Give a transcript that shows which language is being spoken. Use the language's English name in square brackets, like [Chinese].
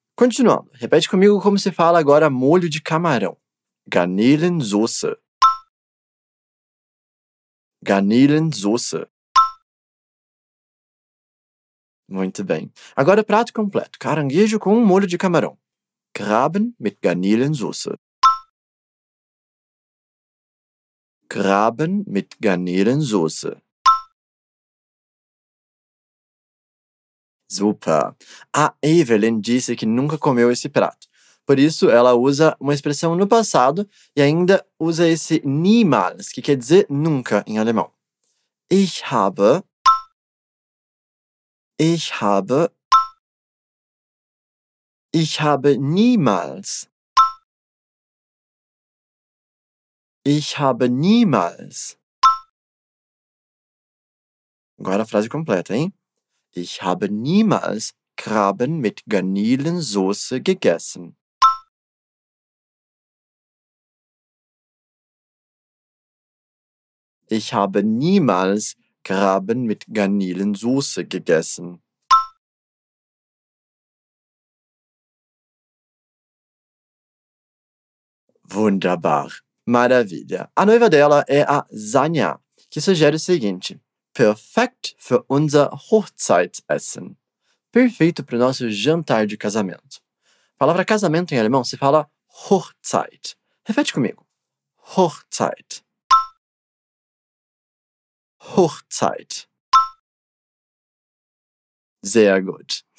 [Portuguese] Continuando, repete comigo como se fala agora molho de camarão. [German] Garnelensoße. Garnelensoße. [Portuguese] Muito bem. Agora prato completo. Caranguejo com molho de camarão. [German] Krabben mit Garnelensoße. Krabben mit Garnelensoße. [Portuguese] Super. A Evelyn disse que nunca comeu esse prato. Por isso, ela usa uma expressão no passado e ainda usa esse niemals, que quer dizer nunca em alemão. [German] Ich habe niemals. Ich habe niemals. [Portuguese] Guarda la frase completa, hein? [German] Ich habe niemals Krabben mit Garnelensoße gegessen. Ich habe niemals Krabben mit Garnelensoße gegessen. Wunderbar. Maravilha. [Portuguese] A noiva dela é a Zanya, que sugere o seguinte. [German] Perfect für unser Hochzeitessen. [Portuguese] Perfeito para o nosso jantar de casamento. A palavra casamento em alemão se fala Hochzeit. Repete comigo. Hochzeit. [German] Hochzeit. Sehr gut.